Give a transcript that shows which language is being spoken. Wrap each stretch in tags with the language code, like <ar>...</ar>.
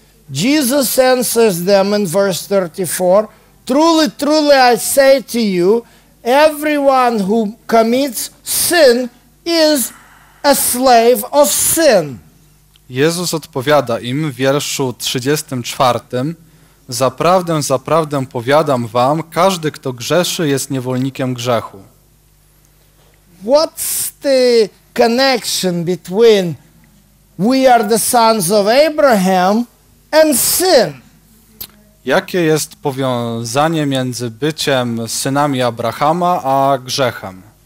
<en>Jesus answers them in verse 34. Truly, truly, I say to you, everyone who commits sin is a slave of sin.</en> <pl>Jezus odpowiada im w wierszu 34. Zaprawdę, zaprawdę powiadam wam, każdy, kto grzeszy, jest niewolnikiem grzechu.</pl> <en>What's the connection between we are the sons of Abraham and sin?</en> <pl>Jakie jest powiązanie między byciem synami Abrahama a grzechem?</pl>